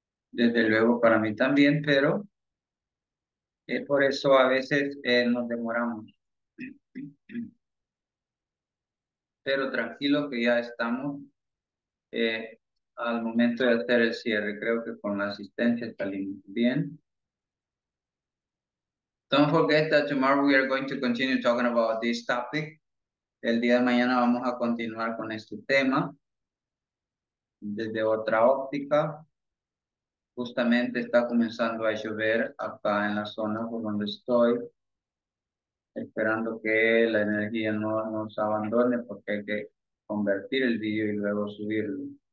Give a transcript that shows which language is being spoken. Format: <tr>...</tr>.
<es>Desde luego para mí también, pero por eso a veces nos demoramos. Pero tranquilo que ya estamos al momento de hacer el cierre. Creo que con la asistencia salimos bien.</es> <en>Don't forget that tomorrow we are going to continue talking about this topic.</en> <es>El día de mañana vamos a continuar con este tema desde otra óptica. Justamente está comenzando a llover acá en la zona por donde estoy, esperando que la energía no nos abandone porque hay que convertir el video y luego subirlo.</es>